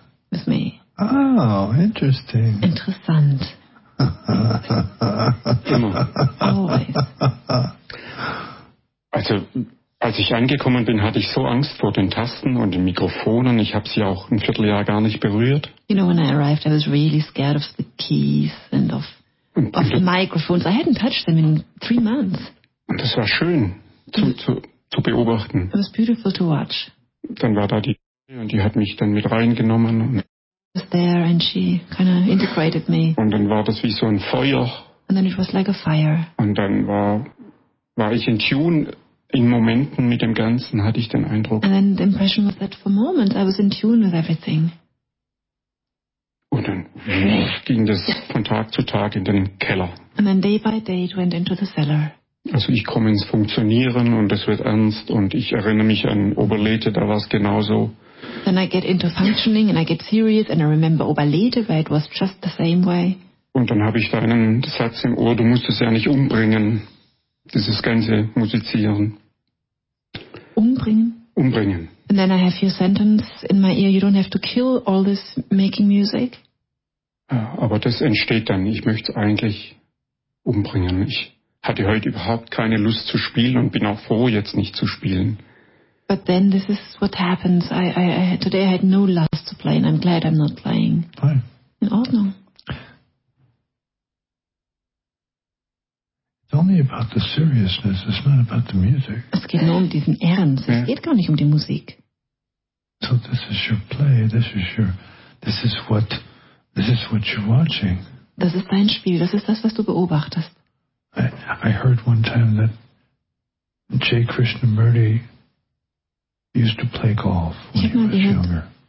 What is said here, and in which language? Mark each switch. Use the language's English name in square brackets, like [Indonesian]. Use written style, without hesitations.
[English] With me. Oh, interesting. [German] Interessant. Immer. [English] Always. [German] Also, als ich angekommen bin, hatte ich so Angst vor den Tasten und den Mikrofonen. Ich habe sie auch ein Vierteljahr gar nicht berührt. [English] You know, when I arrived, I was really scared of the keys and of the microphones. I hadn't touched them in 3 months. [German] Und das war schön zu beobachten. [English] It was beautiful to watch. [German] Dann war da die und die hat mich dann mit reingenommen. Und [English] I was there and she kind of integrated me. [German] Und dann war das wie so ein Feuer. [English] And then it was like a fire. [German] Und dann war ich [English] in Tune [German] in Momenten mit dem Ganzen, hatte ich den Eindruck. [English] And then the impression was that for moments I was in tune with everything. [German] Und dann ging das von Tag zu Tag in den Keller. [English] And then day by day it went into the cellar. [German] Also ich komme ins Funktionieren und es wird ernst und ich erinnere mich an Oberlethe, da war es genauso. [English] Then I get into functioning and I get serious and I remember Oberlethe, where it was just the same way. [German] Und dann habe ich da einen Satz im Ohr, du musst es ja nicht umbringen, dieses ganze Musizieren. Umbringen? Umbringen. [English] And then I have your sentence in my ear, you don't have to kill all this making music. [German] Ja, aber das entsteht dann, ich möchte es eigentlich umbringen, nicht. Hatte heute überhaupt keine Lust zu spielen und bin auch froh, jetzt nicht zu spielen. [English] But then this is what happens. Today I had no lust to play and I'm glad I'm not playing. Fine. [German] In Ordnung. [English] It's only about the seriousness, it's not about the music. [German] Es geht nur um diesen Ernst, es geht gar nicht um die Musik. [English] So this is your play, this is what you're watching. [German] Das ist dein Spiel, das ist das, was du beobachtest. [English] I heard one time that Jay Krishnamurti used to play golf when he was younger.